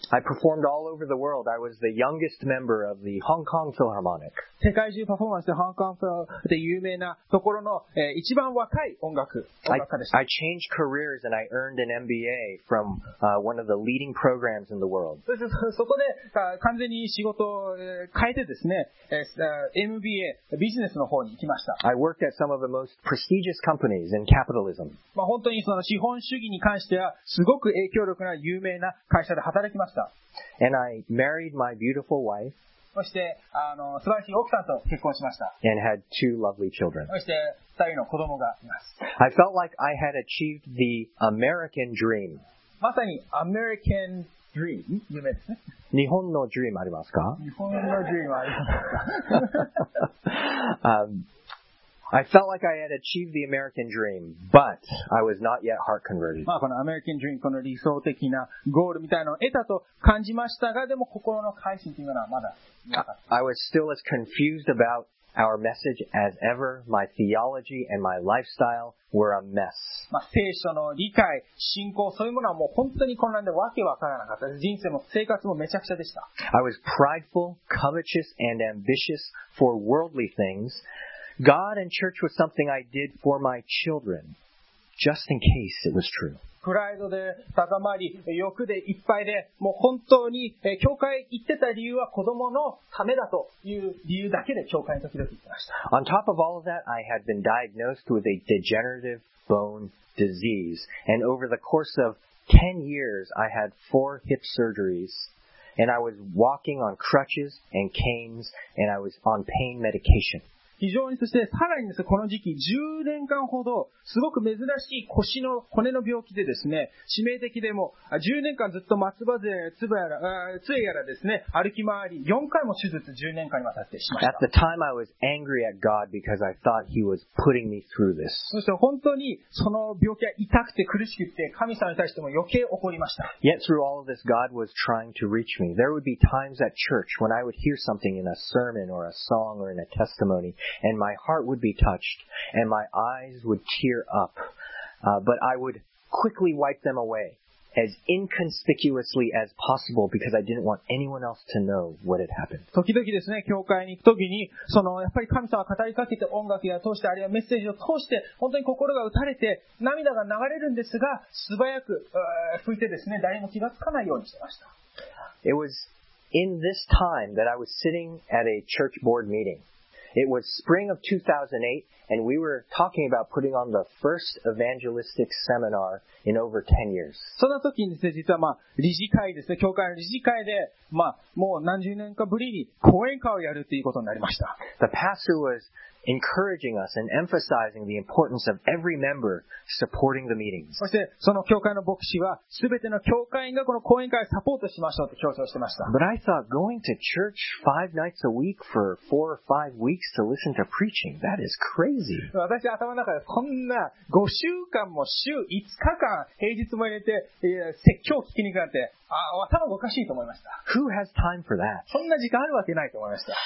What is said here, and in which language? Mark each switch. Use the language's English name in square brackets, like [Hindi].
[English] I performed all over the world. I was the youngest member of the Hong Kong Philharmonic. [Japanese] 世界中パフォーマンスで、香港で有名なところの、一番若い音楽家でした。 [English] I changed careers andI earned an MBA from one of the leading programs in the world. [Japanese] そこで完全に仕事を変えてですね、MBA ビジネスの方に行きました。 [English] I worked at some of the most prestigious companies in capitalism. [Japanese] まあ本当にその資本主義に関してはすごく影響力な有名な会社で働きました。 [English] And I married my beautiful wife. [Japanese] そして、素晴らしい奥さんと結婚しました。 [English] And had two lovely children. [Japanese] そして、二人の子供がいます。 [English] I felt like I had achieved the American dream. [Japanese] まさに、American dream? 夢ですね。日本の dream ありますか? 日本の dream ありますか? [English] I felt like I had achieved the American dream, but I was not yet heart converted. [Japanese] まあ、この American dream、この理想的なゴールみたいなのを得たと感じましたが、でも心の改心というのはまだなかった。 [English] I was still as confused about our message as ever. My theology and my lifestyle were a mess. [Japanese] まあ、聖書の理解、信仰、そういうものはもう本当に混乱でわけわからなかった。人生も生活もめちゃくちゃでした。 [English] I was prideful, covetous, and ambitious for worldly things. God and church was something I did for my children, just in case it was true. [Japanese] プライドで高まり、欲でいっぱいで、もう本当に教会行ってた理由は子供のためだという理由だけで教会に時々行ってました。 [English] On top of all of that, I had been diagnosed with a degenerative bone disease, and over the course of 10 years, I had 4 hip surgeries. And I was walking on crutches and canes, and I was on pain medication. [Japanese] 非常にそしてさらにですね、この時期10年間ほどすごく珍しい腰の骨の病気でですね、致命的でも10年間ずっと松葉杖やら、杖やらですね、歩き回り4回も手術10年間にわたってしました。 [English] At the time I was angry at God because I thought He was putting me through this. [Japanese] そして本当にその病気は痛くて苦しくて神様に対しても余計怒りました。 [English] Yet through all of this, God was trying to reach me. There would be times at church when I would hear something in a sermon or a song or in a testimony. And my heart would be touched, and my eyes would tear up, but I would quickly wipe them away as inconspicuously as possible because I didn't want anyone else to know what had happened. [Japanese] 時々ですね、教会に行くときに、そのやっぱり神様は語りかけて音楽や通してあるいはメッセージを通して本当に心が打たれて涙が流れるんですが、素早く拭いてですね、誰も気がつかないようにしてました。 [English] It was in this time that I was sitting at a church board meeting. It was spring of 2008, and we were talking about putting on the first evangelistic seminar in over 10 years. [Japanese] その時にですね、実はまあ、理事会ですね、教会の理事会で、まあ、もう何十年かぶりに講演会をやるということになりました。 [English] The pastor was encouraging us and emphasizing the importance of every member supporting the meetings. [Japanese] そして、その教会の牧師は、すべての教会員がこの講演会をサポートしましょうと強調してました。 [English] But I thought going to church five nights a week for four or five weeks to listen to preaching, that is crazy. [Japanese] 私は頭の中でこんな5週間も週5日間、平日も入れて、説教を聞きに行くなんて、頭がおかしいと思いました。 [English] Who has time for that? [Japanese] そんな時間あるわけないと思いました。